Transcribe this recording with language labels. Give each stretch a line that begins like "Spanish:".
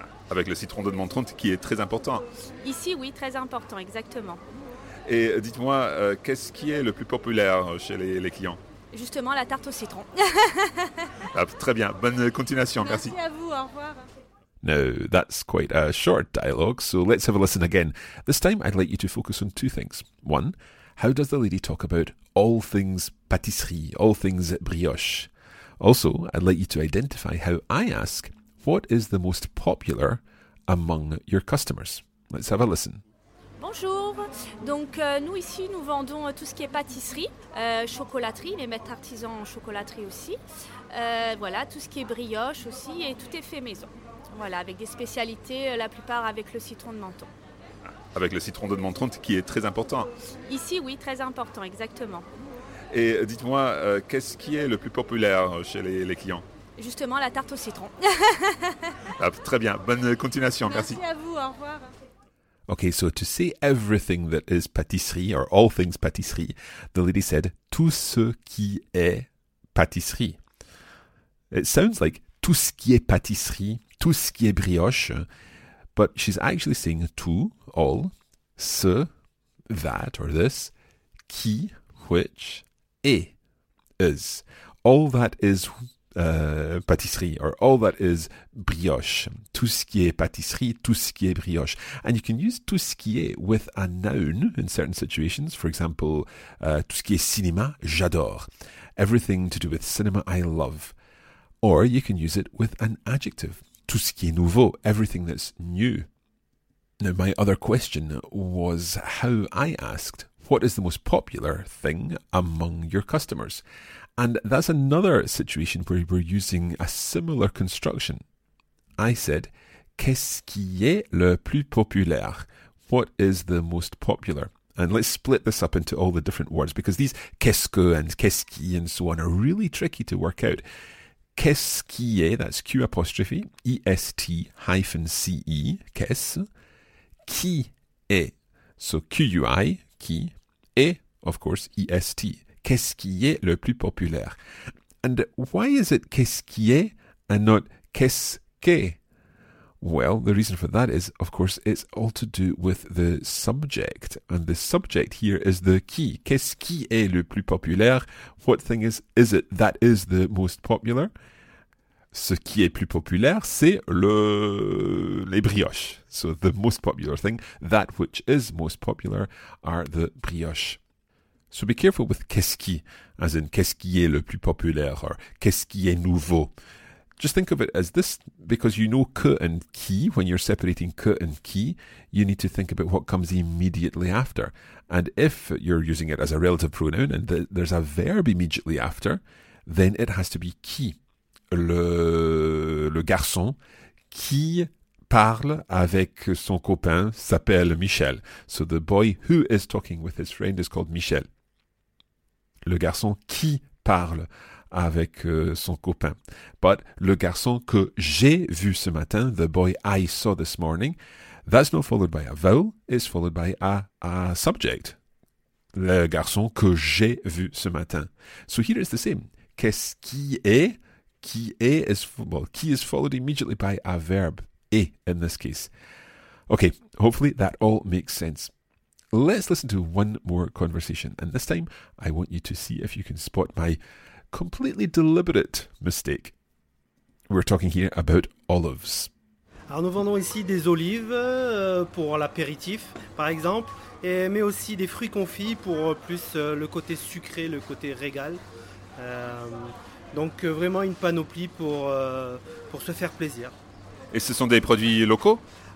French: Avec le citron de menton, qui est très important. Ici, oui, très important, exactement. Et dites-moi, qu'est-ce qui est le plus populaire chez les clients? Justement, la tarte au citron. Ah, très bien, bonne continuation, merci. Merci à vous, au revoir.
English: Now, that's quite a short dialogue, so let's have a listen again. This time, I'd like you to focus on two things. One, how does the lady talk about all things pâtisserie, all things brioche? Also, I'd like you to identify how I ask, what is the most popular among your customers? Let's have a listen.
French: Bonjour. Donc, nous ici, nous vendons tout ce qui est pâtisserie, chocolaterie, les maîtres artisans en chocolaterie aussi. Voilà, tout ce qui est brioche aussi, et tout est fait maison. Voilà, avec des spécialités, la plupart avec le citron de menton. Avec le citron de menton, qui est très important. Ici, oui, très important, exactement. Et dites-moi, qu'est-ce qui est le plus populaire chez les clients? Justement, la tarte au citron. Ah, très bien, bonne continuation, merci. Merci à vous, au revoir.
English: Okay, so to say everything that is pâtisserie, or all things pâtisserie, the lady said,
French: tout ce qui est pâtisserie.
English: It sounds like
French: tout ce qui est pâtisserie, tout ce qui est brioche,
English: but she's actually saying tout, all, ce, that, or this, qui, which, et, is. All that is pâtisserie, or all that is brioche.
French: Tout ce qui est pâtisserie, tout ce qui est brioche.
English: And you can use tout ce qui est with a noun in certain situations. For example,
French: tout ce qui est cinéma, j'adore.
English: Everything to do with cinema, I love. Or you can use it with an adjective.
French: Tout ce qui est nouveau,
English: everything that's new. Now, my other question was how I asked, what is the most popular thing among your customers? And that's another situation where we're using a similar construction. I said,
French: qu'est-ce qui est le plus populaire?
English: What is the most popular? And let's split this up into all the different words, because these qu'est-ce que and qu'est-ce qui and so on are really tricky to work out. Qu'est-ce qui est, that's Q apostrophe, E-S-T hyphen C-E, qu'est-ce, qui est, so Q-U-I, qui, et, of course, E-S-T,
French: qu'est-ce qui est le plus populaire.
English: And why is it qu'est-ce qui est and not qu'est-ce que? Well, the reason for that is, of course, it's all to do with the subject. And the subject here is the qui.
French: Qu'est-ce qui est le plus populaire?
English: What thing is it that is the most popular?
French: Ce qui est plus populaire, c'est les brioches.
English: So the most popular thing, that which is most popular, are the brioches. So be careful with qu'est-ce qui, as in
French: qu'est-ce qui est le plus populaire,
English: or
French: qu'est-ce qui est nouveau.
English: Just think of it as this, because you know que and qui, when you're separating que and qui, you need to think about what comes immediately after. And if you're using it as a relative pronoun and there's a verb immediately after, then it has to be qui.
French: Le garçon qui parle avec son copain s'appelle Michel.
English: So the boy who is talking with his friend is called Michel.
French: Le garçon qui parle avec son copain.
English: But
French: le garçon que j'ai vu ce matin,
English: the boy I saw this morning, that's not followed by a vowel, it's followed by a subject.
French: Le garçon que j'ai vu ce matin.
English: So here it's the same.
French: Qu'est-ce qui est?
English: Qui est is, well, qui is followed immediately by a verb, est in this case. Okay, hopefully that all makes sense. Let's listen to one more conversation. And this time, I want you to see if you can spot my completely deliberate mistake. We're talking here about olives.
French: Alors nous vendons ici des olives pour l'apéritif, par exemple, mais aussi des fruits confits pour plus le côté sucré, le côté régal. Donc vraiment une panoplie pour se faire plaisir. Et ce sont des produits locaux ?